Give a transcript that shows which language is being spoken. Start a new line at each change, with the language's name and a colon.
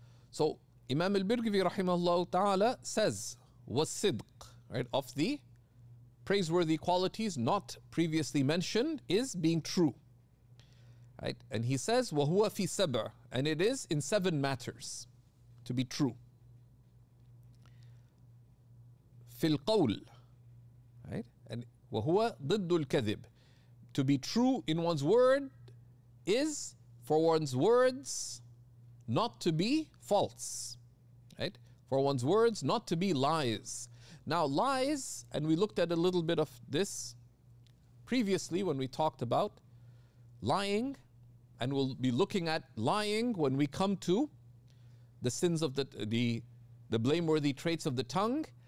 English: So Imam al-Birgivi rahimahullah ta'ala says, was-sidq, right, of the praiseworthy qualities not previously mentioned is being true. Right? And he says,
Arabic: وَهُوَ فِي سَبْعٍ,
English: and it is in 7 matters to be true.
Arabic: فِي الْقَوْلِ,
English: right? And
Arabic: وَهُوَ ضِدُّ الْكَذِبِ,
English: to be true in one's word is for one's words not to be false. Right? For one's words not to be lies. Now lies, and we looked at a little bit of this previously when we talked about lying, and we'll be looking at lying when we come to the sins of the blameworthy traits of the tongue.